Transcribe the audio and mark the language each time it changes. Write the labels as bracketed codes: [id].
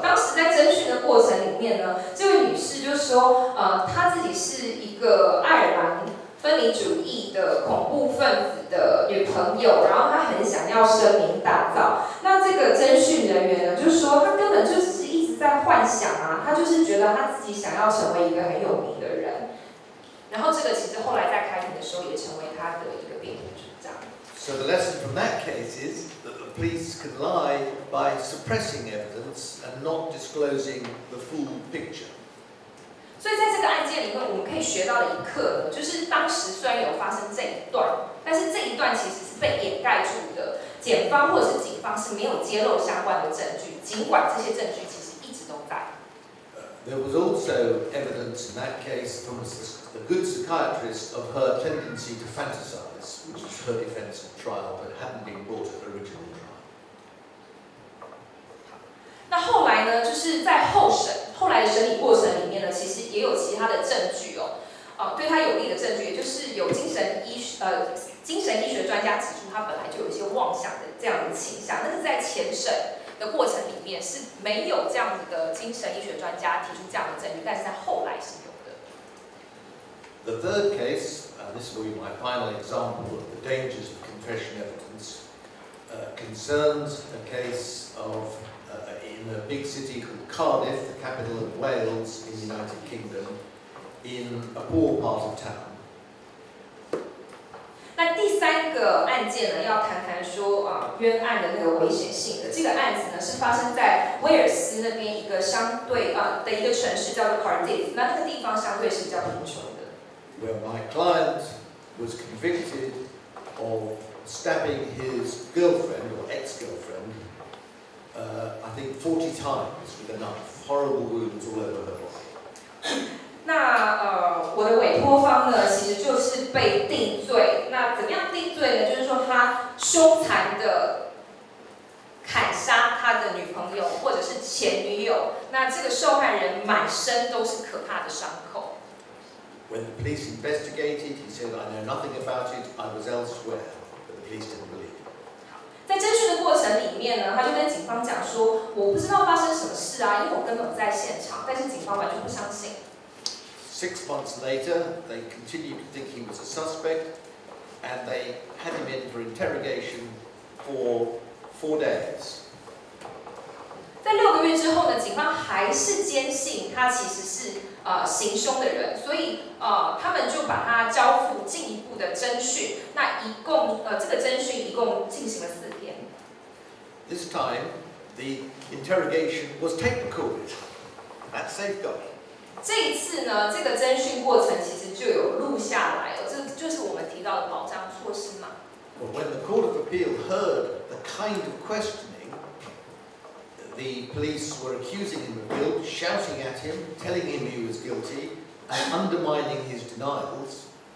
[zh] 当时在侦讯的过程里面呢，这位女士就说，她自己是一个爱尔兰分离主义的恐怖分子的女朋友，然后她很想要声名大噪。那这个侦讯人员呢，就说他根本就是一直在幻想啊，他就是觉得他自己想要成为一个很有名的人。然后这个其实后来在开庭的时候也成为他的一个辩护主张。 [en] So the lesson from that case is that the police can lie by suppressing evidence and not disclosing the full picture. [zh] 所以在这个案件里面，我们可以学到的一课，就是当时虽然有发生这一段，但是这一段其实是被掩盖住的。检方或者是警方是没有揭露相关的证据，尽管这些证据其实一直都在。 [en] There was also evidence in that case from a good psychiatrist of her tendency to fantasize, which is her defense at trial, but hadn't been brought at the original trial. [zh] 那后来呢？就是在候审。后来的审理过程里面呢，其实也有其他的证据哦，对他有利的证据，也就是有精神医学专家指出他本来就有一些妄想的这样的倾向，但是在前审的过程里面是没有这样子的精神医学专家提出这样的证据，但是在后来是有的。 [en] The third case, this will be my final example of the dangers of confession evidence, concerns a case of. In a big city called Cardiff, the capital of Wales in the United Kingdom, in a poor part of town. [zh] 那第三个案件呢，要谈谈说冤案的那个危险性的。这个案子呢，是发生在威尔斯那边一个相对的一个城市叫做 Cardiff， 那这个地方相对是比较贫穷的。 [en] Where my client was convicted of stabbing his girlfriend or ex-girlfriend. I think 40 times with a knife, horrible wounds all over her body. [zh] 那我的委托方呢，其实就是被定罪。那怎么样定罪呢？就是说他凶残的砍杀他的女朋友或者是前女友。那这个受害人满身都是可怕的伤口。 [en] When the police investigated, he said, "I know nothing about it. I was elsewhere," but the police didn't believe. [zh] 在侦讯的过程里面呢，他就跟警方讲说：“我不知道发生什么事啊，因为我根本不在现场。” 但是警方完全不相信。 [en] Six months later, they continued to think he was a suspect, and they had him in for interrogation for 4 days. [zh] 在六个月之后呢，警方还是坚信他其实是行凶的人，所以他们就把他交付进一步的侦讯。那一共这个侦讯一共进行了4天。 [en] This time, the interrogation was tape recorded. That safeguard. [zh] 这一次呢，这个侦讯过程其实就有录下来哦，这就是我们提到的保障措施嘛。 [en] But when the Court of Appeal heard the kind of questioning the police were accusing him of guilt, shouting at him, telling him he was guilty, and undermining his denials.